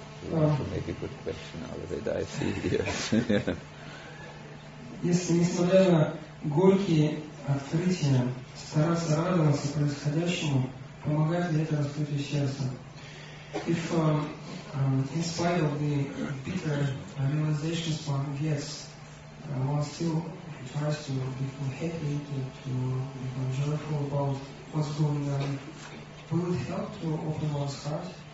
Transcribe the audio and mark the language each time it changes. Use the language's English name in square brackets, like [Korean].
[English] To make a good question out of it, I see here. [Russian] Если несмотря на горькие открытия, стараться радоваться происходящему, помогает ли это раскрытию сердца? [English] If in spite of the bitter realizations one gets, one still tries to become happy, to become joyful about what's going on, will it help to open one's heart?